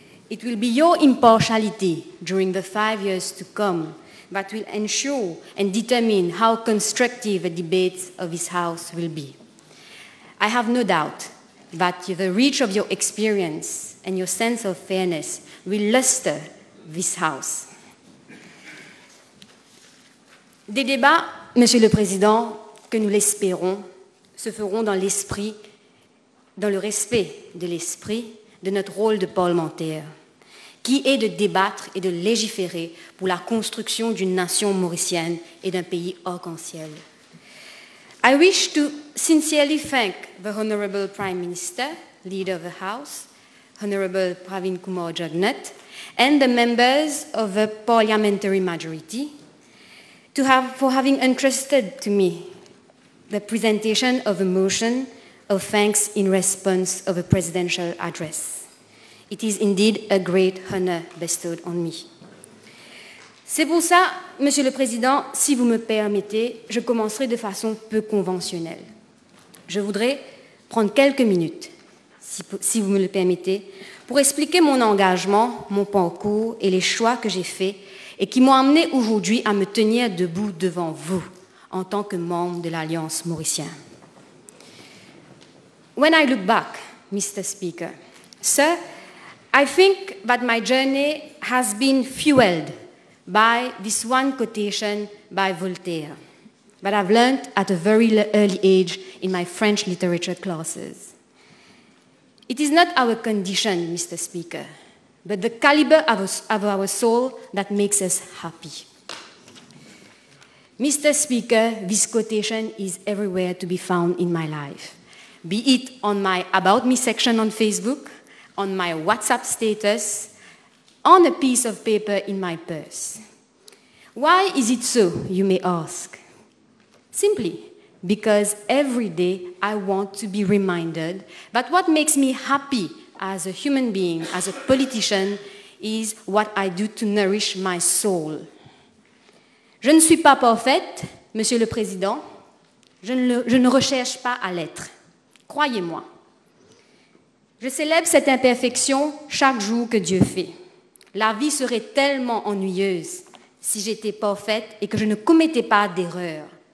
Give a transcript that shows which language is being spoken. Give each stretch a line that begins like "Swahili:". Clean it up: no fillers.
English: It will be your impartiality during the 5 years to come that will ensure and determine how constructive the debates of this House will be. I have no doubt that the reach of your experience and your sense of fairness will luster this House.
French: Des débats, Monsieur le Président, que nous l'espérons, se feront dans l'esprit, dans le respect de l'esprit de notre rôle de parlementaire, qui est de débattre et de légiférer pour la construction d'une nation mauricienne et d'un pays arc-en-ciel.
English: I wish to sincerely thank the Honorable Prime Minister, Leader of the House, Honorable Pravin Kumar Jagnauth, and the members of the parliamentary majority for having entrusted to me the presentation of a motion of thanks in response of a presidential address. It is indeed a great honor bestowed on me.
French: C'est pour ça, Monsieur le Président, si vous me permettez, je commencerai de façon peu conventionnelle. Je voudrais prendre quelques minutes, si vous me le permettez, pour expliquer mon engagement, mon parcours et les choix que j'ai faits et qui m'ont amené aujourd'hui à me tenir debout devant vous en tant que membre de l'Alliance mauricienne.
English: When I look back, Mr. Speaker, sir, I think that my journey has been fueled by this one quotation by Voltaire that I've learned at a very early age in my French literature classes. It is not our condition, Mr. Speaker, but the caliber of our soul that makes us happy. Mr. Speaker, this quotation is everywhere to be found in my life, be it on my About Me section on Facebook, on my WhatsApp status, on a piece of paper in my purse. Why is it so, you may ask? Simply because every day I want to be reminded that what makes me happy as a human being, as a politician, is what I do to nourish my soul.
French: Je ne suis pas parfaite, Monsieur le Président. Je ne recherche pas à l'être. Croyez-moi. Je célèbre cette imperfection chaque jour que Dieu fait. La vie serait tellement ennuyeuse si j'étais parfaite et que je ne commettais pas d'erreur.